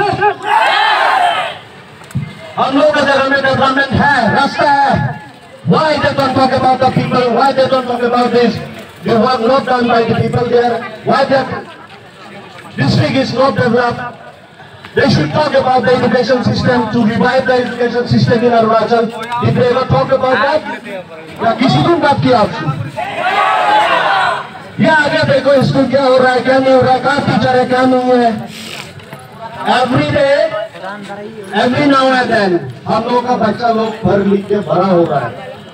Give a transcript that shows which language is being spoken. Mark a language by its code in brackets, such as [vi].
[hi] हम लोग का जगह में डेवलपमेंट है, रास्ता है. [en] Why they don't talk about the people? Why they don't talk about this? They have not done by the people there. Why that district is not developed? They should talk about the education system to revive the education system in Arunachal. If they ever talk about that, [hi] या किसी को बात किया आपसे? क्या आगे देखो, school क्या हो रहा है, क्या नहीं हो रहा है, कहाँ टीचर है, क्या नहीं है. [en] every day every now and then [hi] हम लोगों का बच्चा लोग पढ़ लिख के बड़ा हो रहा है.